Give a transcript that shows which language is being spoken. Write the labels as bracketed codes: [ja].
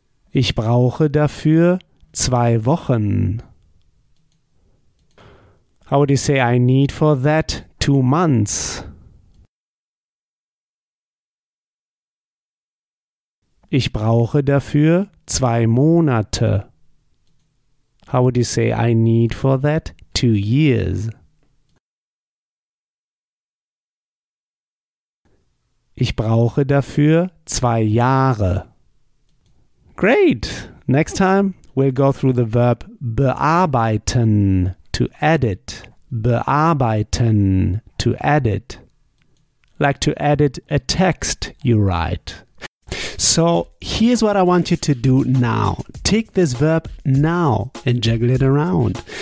[de] Ich brauche dafür 2 Wochen. [en] How would you say, I need for that 2 months? [de] Ich brauche dafür 2 Monate. [en] How would you say, I need for that 2 years? [de] Ich brauche dafür 2 Jahre. [en] Great! Next time, we'll go through the verb bearbeiten, to edit. Bearbeiten, to edit. Like to edit a text you write. So, here's what I want you to do now. Take this verb now and juggle it around.